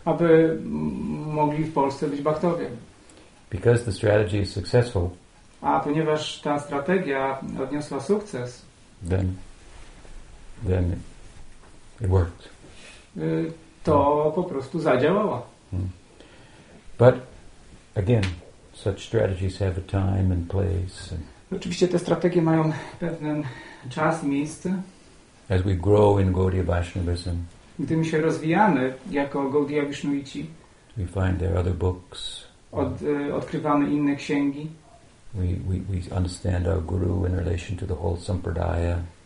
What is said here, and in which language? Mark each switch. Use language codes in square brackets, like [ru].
[pl] Aby mogli w Polsce być bhaktowie. [en] Because the strategy is successful. [pl] A ponieważ ta strategia odniosła sukces. [en] Then it worked. [pl] To po prostu zadziałało. [en] But again, such strategies have a time and place. [pl] Oczywiście te strategie mają pewien czas i miejsce. [en] As we grow in Gaudiya Vaishnavism. [pl] Gdy my się rozwijamy jako Gaudiya Vishnuici. [en] We find there are other books. [pl] Odkrywamy inne księgi. [en] We understand our guru in relation to the whole sampradaya.